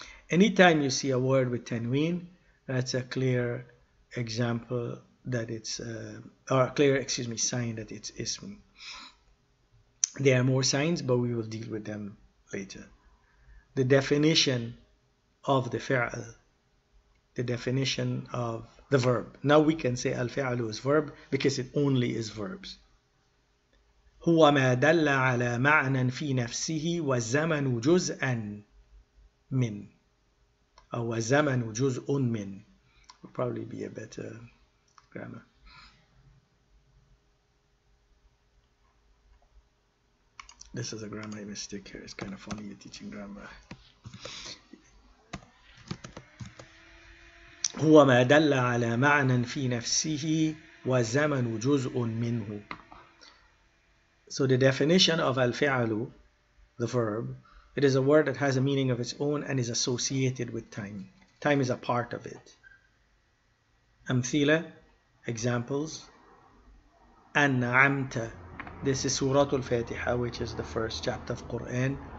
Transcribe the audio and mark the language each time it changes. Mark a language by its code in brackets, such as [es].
[en] Anytime you see a word with tanween, that's a clear example that it's, sign that it's ism. There are more signs, but we will deal with them later. The definition of the fi'l, the definition of the verb. Now we can say al-fi'lu is verb because it only is verbs. [ar] هو ما دل على معنى في نفسه وزمن جزءا من أو وزمن جزء من [en] would probably be a better grammar. This is a grammar mistake here. It's kind of funny you're teaching grammar. [ar] هو ما دل على معنى في نفسه والزمن جزء منه. [en] So the definition of al-fi'lu, the verb, it is a word that has a meaning of its own and is associated with time. Time is a part of it. Amthila, examples. An'amta, this is Surah Al-Fatiha, which is the first chapter of Quran.